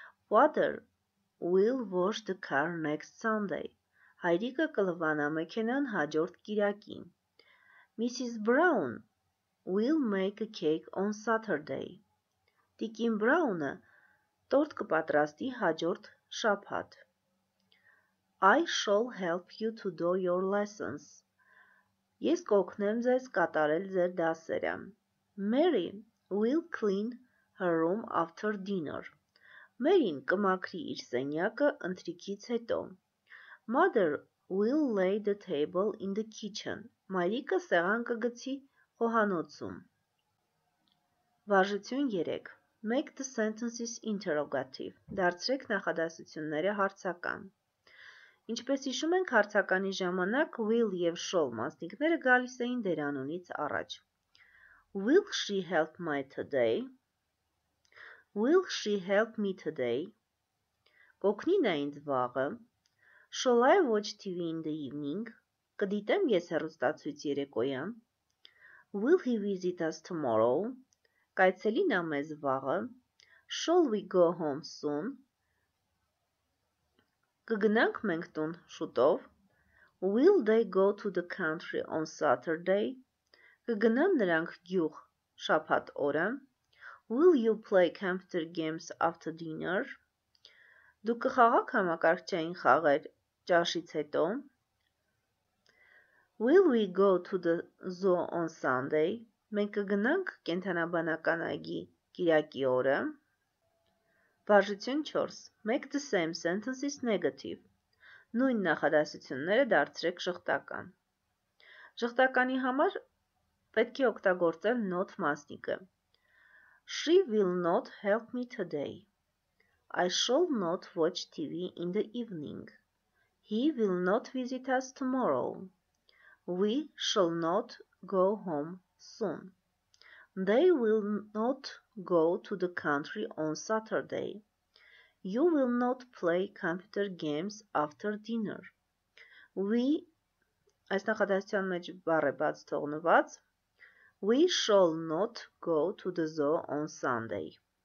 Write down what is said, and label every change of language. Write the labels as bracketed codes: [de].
[en] Father will wash the car next Sunday. [hy] Հայրիկը կլվանա մեքենան հաջորդ կիրակին. Mrs. [en] Brown will make a cake on Saturday. Տիկին Brown-ը տորտ կպատրաստի հաջորդ շաբաթ. I shall help you to do your lessons. [hy] Ես կօգնեմ ձեզ կատարել ձեր դասերը. [en] Mary will clean her room after dinner. [hy] Մերին կմաքրի իր սենյակը ընթրիքից հետո. [en] Mother will lay the table in the kitchen. [hy] Մայրիկը սեղան կգցի խոհանոցում. Վարժություն 3. [en] Make the sentences interrogative. [hy] Դարձրեք նախադասությունները հարցական. Ինչպես հիշում ենք, հարցականի ժամանակ will եւ shall մասնիկները գալիս էին դերանունից առաջ. [en] Will she help me today? Will she help me today? [hy] Կօգնի նա ինձ վաղը? [en] Shall I watch TV in the evening? [hy] Կդիտեմ ես հեռուստացույց երեկոյան? [en] Will he visit us tomorrow? [hy] Կայցելի նա մեզ վաղը? [en] Shall we go home soon? [hy] Կգնանք մենք տուն շուտով? [en] Will they go to the country on Saturday? [hy] Կգնան նրանք գյուղ շաբաթ օրը? [en] Will you play computer games after dinner? [hy] Դու կխաղա՞ք համակարգչային խաղեր ճաշից հետո? [en] Will we go to the zoo on Sunday? [hy] Մենք կգնանք կենդանաբանական այգի կիրակի օրը? Վարժություն 4. [en] Make the same sentences negative. [hy] Նույն նախադասությունները դարձրեք շղթական. Շղթականի համար պետք է օգտագործել not մասնիկը. [en] She will not help me today. I shall not watch TV in the evening. He will not visit us tomorrow. We shall not go home soon. They will not go to the country on Saturday. You will not play computer games after dinner. [hy] We այս նախադասության մեջ բառը բաց թողնված. [en] We shall not go to the zoo on Sunday.